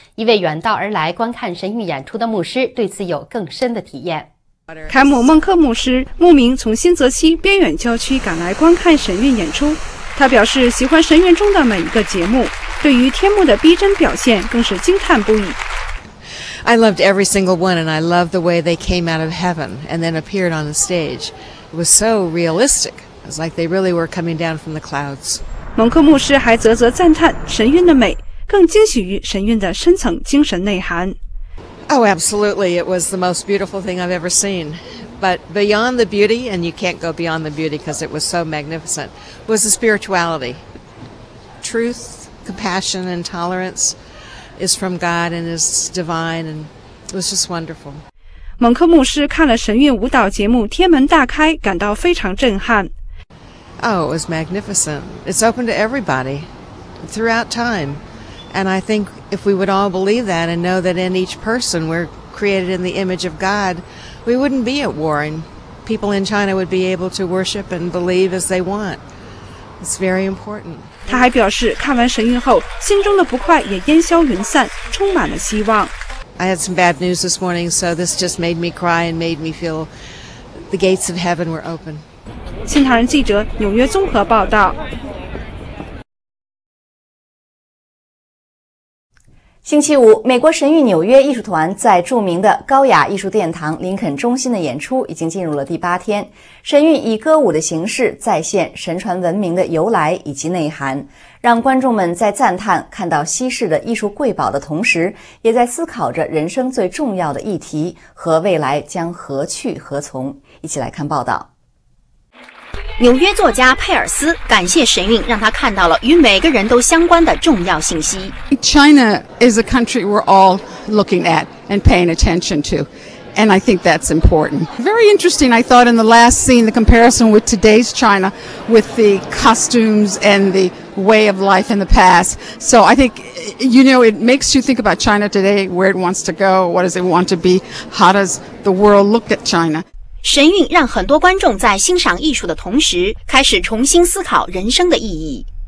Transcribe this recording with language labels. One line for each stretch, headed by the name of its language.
Chinese: 一位远道而来观看神韵演出的牧师对此有更深的体验。凯姆·孟克牧师慕名从新泽西边远郊区赶来观看神韵演出，他表示喜欢神韵中的每一个节目，对于天幕的逼真表现更是惊叹不已。
English: I loved every single one, and I loved the way they came out of heaven and then appeared on the stage. It was so realistic. It was like they really were coming down from the clouds.
Chinese: 蒙克牧师还啧啧赞叹神韵的美，更惊喜于神韵的深层精神内涵。
English: Oh, absolutely. It was the most beautiful thing I've ever seen. But beyond the beauty, and you can't go beyond the beauty because it was so magnificent, was the spirituality. Truth, compassion, and tolerance.is from God and is divine and It was just wonderful.
Chinese: 蒙克牧师看了神韵舞蹈节目《天门大开》，感到非常震撼。
English: Oh, it was magnificent. It's open to everybody throughout time. And I think if we would all believe that and know that in each person we're created in the image of God, we wouldn't be at war and people in China would be able to worship and believe as they want. It's very important.
Chinese: 他还表示，看完神韵后，心中的不快也烟消云散，充满了希望。
English: I had some bad news this morning, so this just made me cry and made me feel the gates of heaven were open.
Chinese: 新唐人记者纽约综合报道。星期五，美国神韵纽约艺术团在著名的高雅艺术殿堂林肯中心的演出已经进入了第八天。神韵以歌舞的形式再现神传文明的由来以及内涵，让观众们在赞叹看到稀世的艺术瑰宝的同时，也在思考着人生最重要的议题和未来将何去何从。一起来看报道。纽约作家佩尔斯感谢神韵，让他看到了与每个人都相关的重要信息。
English: China is a country we're all looking at and paying attention to, and I think that's important. Very interesting, I thought, in the last scene, the comparison with today's China, with the costumes and the way of life in the past. So I think, you know, it makes you think about China today, where it wants to go, what does it want to be, how does the world look at China?
Chinese: 神韵让很多观众在欣赏艺术的同时开始重新思考人生的意义。